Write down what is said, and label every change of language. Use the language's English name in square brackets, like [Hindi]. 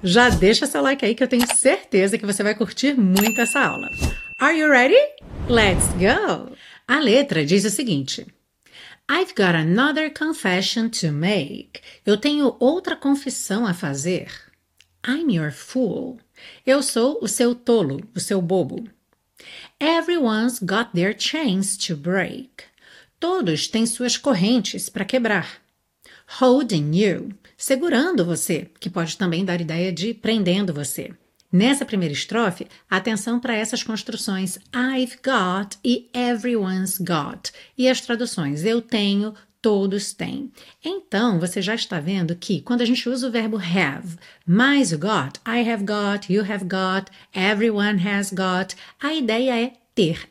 [Portuguese] Já deixa seu like aí que eu tenho certeza que você vai curtir muito essa aula. [English] Are you ready? Let's go! [Portuguese] A letra diz o seguinte: [English] I've got another confession to make. [Portuguese] Eu tenho outra confissão a fazer. [English] I'm your fool. [Portuguese] Eu sou o seu tolo, o seu bobo. [English] Everyone's got their chains to break. [Portuguese] Todos têm suas correntes para quebrar. [English] Holding you, [Portuguese] segurando você, que pode também dar ideia de prendendo você. Nessa primeira estrofe, atenção para essas construções I've got e everyone's got. E as traduções eu tenho, todos têm. Então, você já está vendo que quando a gente usa o verbo have mais o got, I have got, you have got, everyone has got, a ideia é ter.